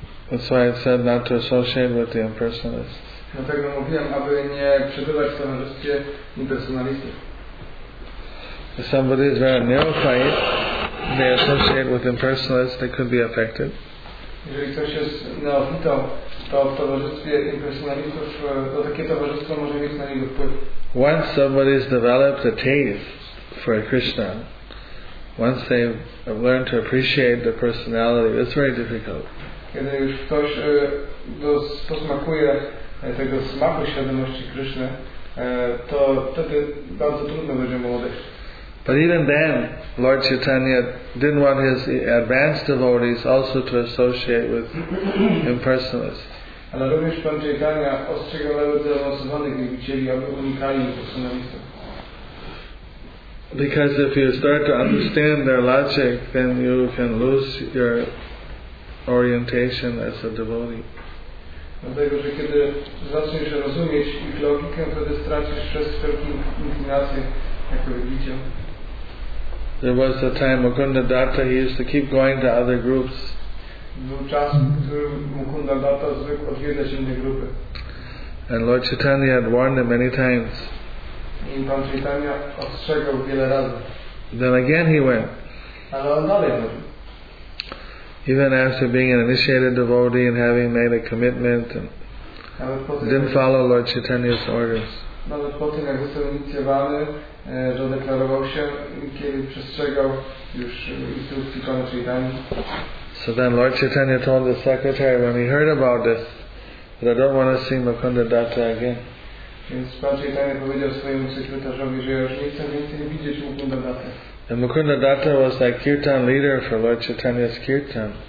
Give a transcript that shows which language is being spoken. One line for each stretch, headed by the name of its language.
English: That's why I said not to associate with the impersonalists.
Polish: Na pewno mówiłem, aby nie przebywać w towarzystwie impersonalistów.
English: If somebody is very neophyte, they associate with impersonalists, they could be affected.
Polish: Jeżeli ktoś jest neofitą, to w towarzystwie impersonalistów, to takie towarzystwo może mieć na niego wpływ.
English: Once somebody has developed a taste for Krishna, once they have learned to appreciate the personality, it's very difficult.
Polish: Kiedy już ktoś posmakuje tego smaku świadomości Krishna, to wtedy bardzo trudno będzie mu odejść.
English: But even then, Lord Chaitanya didn't want his advanced devotees also to associate with impersonalists.
Polish: Ale również Pan Chaitanya ostrzegał zaawansowanych niewidzieli, aby unikali impersonalistów.
English: Because if you start to understand their logic, then you can lose your orientation as a devotee.
Polish: Dlatego, że kiedy zaczniesz rozumieć ich logikę, wtedy stracisz wszelką inklinację, jak widzicie.
English: There was a time Mukundadatta, he used to keep going to other groups.
Polish: Był czas, który Mukundadatta zwykł odwiedzać inne grupy.
English: And Lord Chaitanya had warned him many times.
Polish: I Pan Chaitanya ostrzegał wiele razy.
English: Then again he went.
Polish: Ale on dalej chodzi.
English: Even after being an initiated devotee and having made a commitment and didn't follow Lord Chaitanya's orders.
Polish: Nawet po tym, jak został inicjowany, że deklarował się, kiedy przestrzegał już instrukcji Pana Chaitanya.
English: So then Lord Chaitanya told the secretary when he heard about this that I don't want to see Mukundadatta again.
Polish: Więc Pan Chaitanya powiedział swojemu sekretarzowi, że już nie chcę więcej widzieć Mukundadatta.
English: And Mukundadatta was like kirtan leader for Lord Chaitanya's kirtan.